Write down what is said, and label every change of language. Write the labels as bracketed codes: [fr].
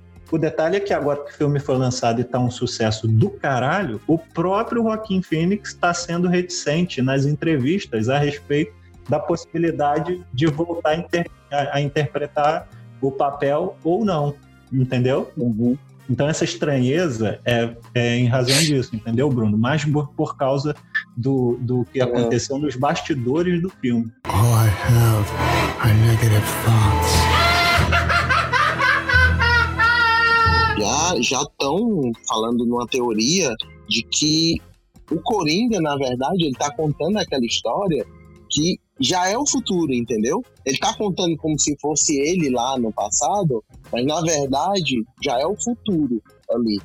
[pt] O detalhe é que agora que o filme foi lançado e está um sucesso do caralho, o próprio Joaquin Phoenix está sendo reticente nas entrevistas a respeito da possibilidade de voltar a interpretar o papel ou não, entendeu? Uhum. Então essa estranheza é em razão disso, entendeu, Bruno? Mais por causa do que aconteceu nos bastidores do filme. [en] All I have are negative thoughts. [pt] Já estão falando numa teoria de que o Coringa, na verdade, ele está contando aquela história que já é o futuro, entendeu? Ele está contando como se fosse ele lá no passado, mas na verdade já é o futuro ali.